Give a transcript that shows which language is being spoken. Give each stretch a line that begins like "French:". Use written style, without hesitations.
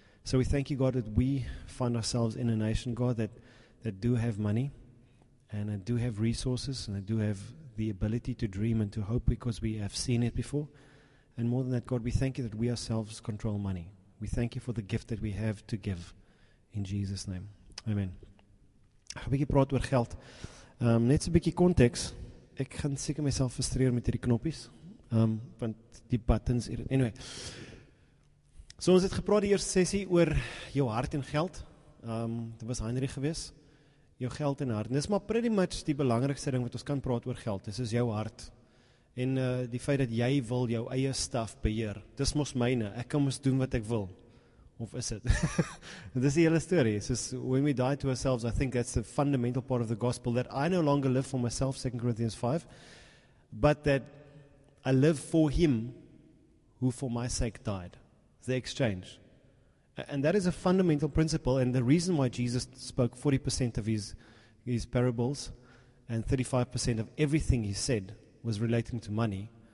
English: So we thank you, God, that we find ourselves in a nation, God, that do have money and do have resources and do have the ability to dream and to hope because we have seen it before. And more than that, God, we thank you that we ourselves control money. We thank you for the gift that we have to give. In Jesus' name. Amen.
Afrikaans: Ek gaan 'n bietjie praat oor geld. Net so 'n bietjie konteks. Ek gaan seker myself frustreer met hierdie knoppies. Want die buttons... Anyway. So ons het gepraat die eerste sessie oor jou hart en geld. Dit was Heinrich gewees. Jou geld en hart. En dis maar pretty much die belangrikste ding wat ons kan praat oor geld. Dis is jou hart. En die feit dat jy wil jou eie staf beheer. Dis mos myne. Ek kan mos doen wat ek wil.
English: Of is it? This is the whole story. It's just, when we die to ourselves, I think that's the fundamental part of the gospel, that I no longer live for myself, 2 Corinthians 5, but that I live for him who for my sake died. The exchange. And that is a fundamental principle, and the reason why Jesus spoke 40% of his parables and 35% of everything he said was relating to money.